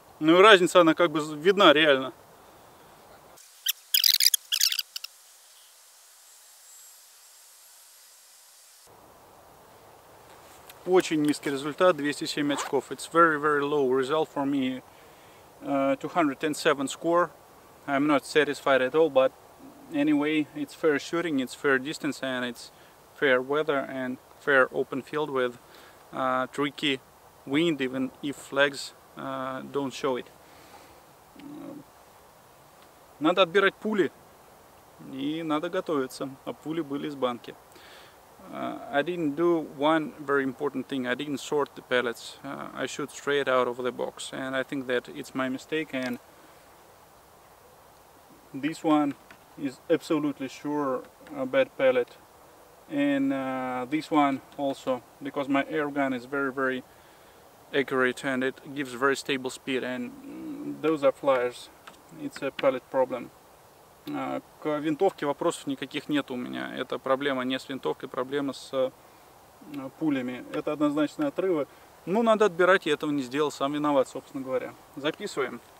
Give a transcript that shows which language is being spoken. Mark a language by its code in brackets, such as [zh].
[ru] Ну и разница, она как бы видна реально. Очень низкий результат, 207 очков. [en] It's very, very low result for me. 207 score. I'm not satisfied at all, but anyway, it's fair shooting, it's fair distance, and it's fair weather, and fair open field with tricky wind, even if flags don't show it. [ru] Надо отбирать пули и надо готовиться. А пули были из банки. [en] I didn't do one very important thing. I didn't sort the pellets. I shoot straight out of the box, and I think that it's my mistake. And this one is absolutely sure a bad pellet. And this one also, because my air gun is very, very accurate and it gives very stable speed, and those are flyers. It's a pellet problem. [ru] К винтовке вопросов никаких нет у меня. Это проблема не с винтовкой, проблема с пулями. Это однозначные отрывы. Ну, надо отбирать, я этого не сделал, сам виноват, собственно говоря. Записываем.